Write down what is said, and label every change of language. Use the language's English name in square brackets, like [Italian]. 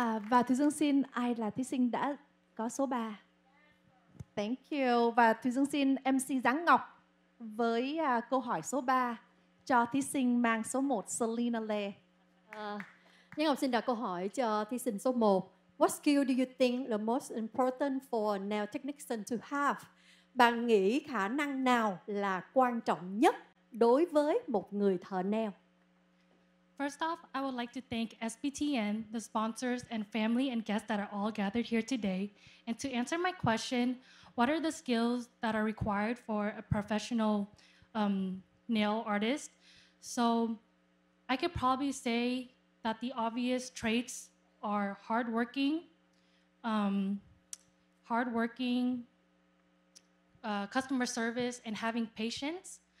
[Vietnamese] Và Thúy Dương xin, ai là thí sinh đã có số 3? [English] Thank you. [Vietnamese] Và Thúy Dương xin MC Giáng Ngọc với câu hỏi số 3 cho thí sinh mang số 1, Selena Lê. Giáng Ngọc xin đặt câu hỏi cho thí sinh số 1. [English] What skill do you think the most important for a nail technician to have? [Vietnamese] Bạn nghĩ khả năng nào là quan trọng nhất đối với một người thợ nail? [English] First off, I would like to thank SBTN, the sponsors and family and guests that are all gathered here today. And to answer my question, what are the skills that are required for a professional nail artist? So I could probably say that the obvious traits are hardworking, customer service, and having patience.